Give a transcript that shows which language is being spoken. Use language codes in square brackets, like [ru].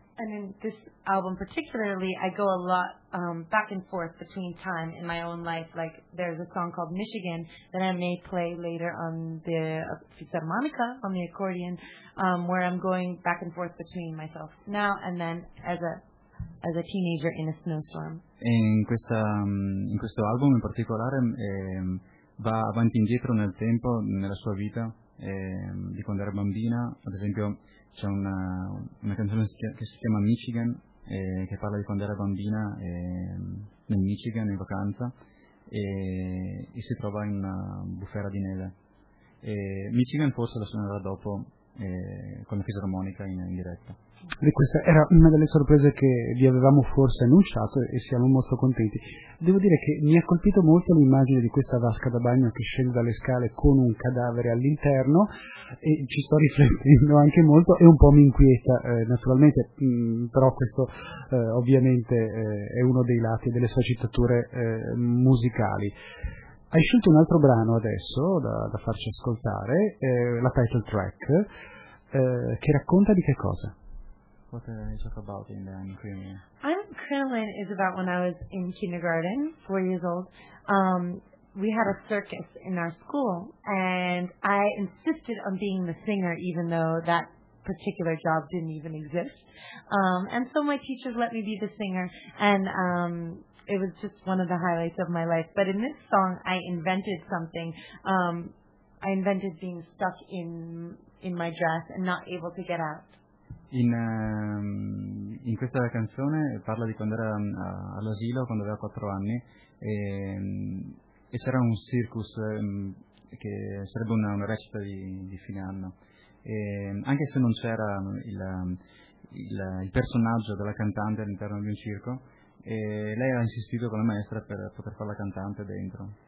[en] And in this album particularly, I go a lot back and forth between time in my own life. Like, there's a song called Michigan that I may play later on the fisarmonica, on the accordion, where I'm going back and forth between myself now and then as a teenager in a snowstorm. [it] In questo album in particolare va avanti e indietro nel tempo, nella sua vita, di quando era bambina, ad esempio... C'è una canzone che si chiama Michigan, che parla di quando era bambina nel Michigan, in vacanza, e si trova in una bufera di neve. E Michigan forse la suonerà dopo con la fisarmonica in diretta. E questa era una delle sorprese che vi avevamo forse annunciato e siamo molto contenti. Devo dire che mi ha colpito molto l'immagine di questa vasca da bagno che scende dalle scale con un cadavere all'interno, e ci sto riflettendo anche molto e un po' mi inquieta naturalmente, però questo ovviamente è uno dei lati delle sue citature musicali. Hai scelto un altro brano adesso da farci ascoltare, la title track, che racconta di che cosa? [en] What are you talking about in the Crinoline? I'm Crinoline is about when I was in kindergarten, 4 years old. We had a circus in our school, and I insisted on being the singer, even though that particular job didn't even exist. And so my teachers let me be the singer, and it was just one of the highlights of my life. But in this song, I invented something. I invented being stuck in my dress and not able to get out. [it] In questa canzone parla di quando era all'asilo, quando aveva 4 anni, e c'era un circus, che sarebbe una recita di fine anno. E anche se non c'era il personaggio della cantante all'interno di un circo, e lei ha insistito con la maestra per poter farla cantante dentro.